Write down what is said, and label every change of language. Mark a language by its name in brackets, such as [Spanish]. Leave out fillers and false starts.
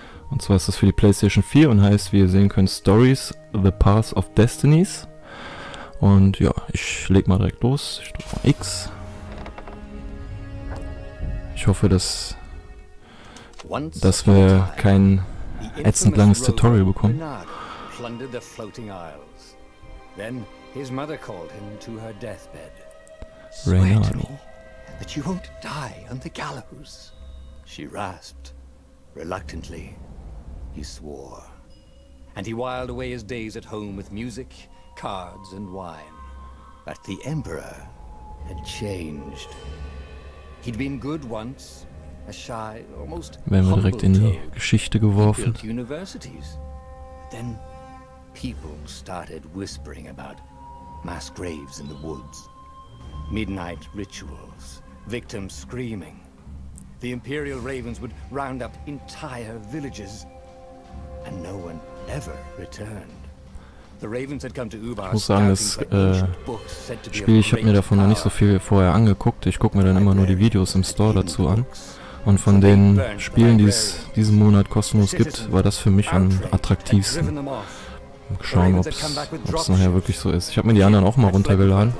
[German] Und zwar ist das für die PlayStation 4 und heißt, wie ihr sehen könnt, Stories, The Path of Destinies. Und ja, ich leg mal direkt los. Ich drücke mal X. Ich hoffe, dass wir kein ätzend langes Tutorial bekommen. [English] Plundered the floating isles. Then his mother called him to her deathbed. Swear to me that you won't die on the gallows. She rasped. Reluctantly, he swore. And he whiled away his days at home with music, cards, and wine. But the Emperor had changed. He'd been good once, a shy, almost humble toad. He built universities. Then people started whispering about mass graves in the woods, midnight rituals, victims screaming. The Imperial Ravens would round up entire villages, and no one ever returned. The Ravens had come to Ubar. [German] Muss sagen, das Spiel, ich habe mir davon noch nicht so viel vorher angeguckt. Ich gucke mir dann immer nur die Videos im Store dazu an. Und von den Spielen, die es diesen Monat kostenlos gibt, war das für mich am attraktivsten. Schauen, ob es nachher wirklich so ist. Ich habe mir die anderen auch mal runtergeladen.